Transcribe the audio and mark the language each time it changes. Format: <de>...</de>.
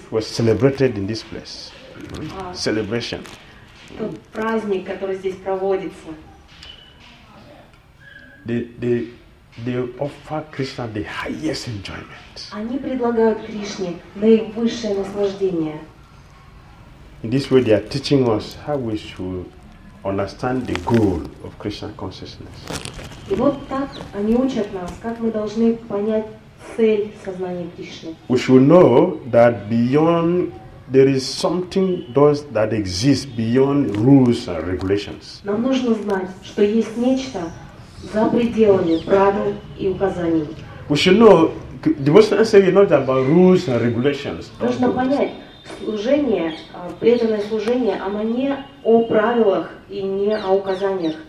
<en>Was celebrated in this place. Celebration.</en> <ru>Тот праздник, который здесь проводится.</ru> <en>They offer Krishna the highest enjoyment.</en> <ru>Они предлагают Кришне наивысшее наслаждение.</ru> <en>In this way, they are teaching us how we should understand the goal of Krishna consciousness.</en> <ru>И вот так они учат нас, как мы должны понять цель сознания Кришны.</ru> <en>We should know that beyond there is something does that exists beyond rules and regulations.</en> <ru>Нам нужно знать, что есть нечто за пределами правил и указаний.</ru> <en>We should know devotional service is not about rules and regulations.</en> <ru>Нужно понять, служение, преданное служение, оно не о правилах и не о указаниях.</ru>